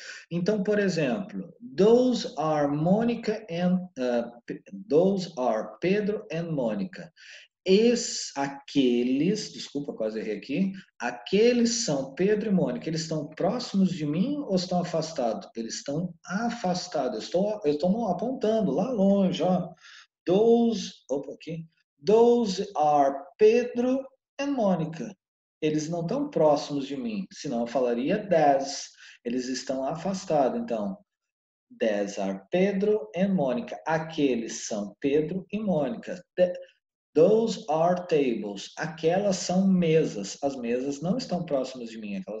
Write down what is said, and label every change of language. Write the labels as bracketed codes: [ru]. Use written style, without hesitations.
[pt] Então, por exemplo, [en] those are Monica and those are Pedro and Monica. [pt] Es aqueles, desculpa, quase errei aqui. Aqueles são Pedro e Mônica. Eles estão próximos de mim ou estão afastados? Eles estão afastados. Eu estou apontando lá longe, ó. [en] Those, [pt] opa, aqui. [en] Those are Pedro and Monica. [pt] Eles não estão próximos de mim, senão eu falaria das. Eles estão afastados, então. [en] These are Pedro and Mônica. [pt] Aqueles são Pedro e Mônica. [en] Those are tables. [pt] Aquelas são mesas. As mesas não estão próximas de mim.